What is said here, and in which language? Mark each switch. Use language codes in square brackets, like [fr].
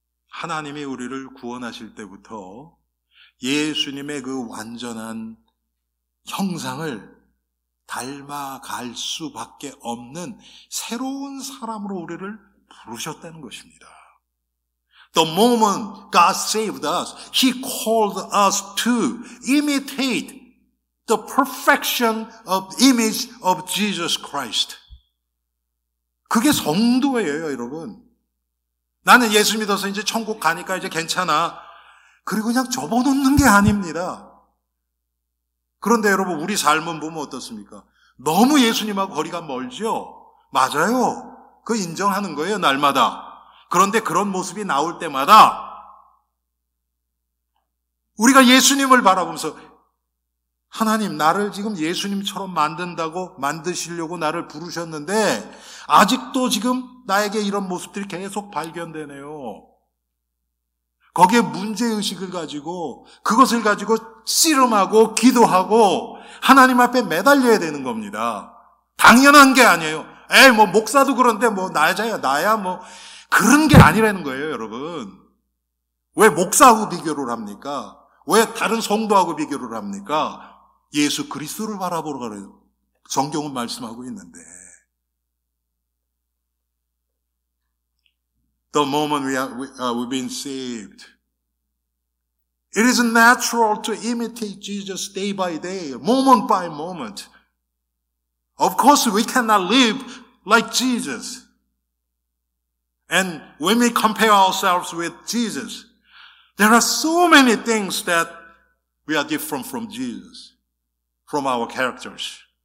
[ko] 하나님이 우리를 구원하실 때부터 예수님의 그 완전한 형상을 닮아갈 수밖에 없는 새로운 사람으로 우리를 부르셨다는 것입니다. [en] The moment God saved us, He called us to imitate the perfection of image of Jesus Christ. [ko] 그게 성도예요, 여러분. 나는 예수 믿어서 이제 천국 가니까 이제 괜찮아. 그리고 그냥 접어놓는 게 아닙니다. 그런데 여러분 우리 삶은 보면 어떻습니까? 너무 예수님하고 거리가 멀죠? 맞아요. 그 인정하는 거예요, 날마다. 그런데 그런 모습이 나올 때마다 우리가 예수님을 바라보면서 하나님 나를 지금 예수님처럼 만든다고 만드시려고 나를 부르셨는데 아직도 지금 나에게 이런 모습들이 계속 발견되네요. 거기에 문제의식을 가지고 그것을 가지고 씨름하고 기도하고 하나님 앞에 매달려야 되는 겁니다. 당연한 게 아니에요. 에이 뭐 목사도 그런데 뭐 나야 뭐 그런 게 아니라는 거예요 여러분. 왜 목사하고 비교를 합니까? 왜 다른 성도하고 비교를 합니까? 예수 그리스도를 바라보러 가래요. 성경은 말씀하고 있는데. [en] The moment we've been saved, it is natural to imitate Jesus day by day, moment by moment. Of course, we cannot live like Jesus. And when we compare ourselves with Jesus, there are so many things that we are different from Jesus, from our characters.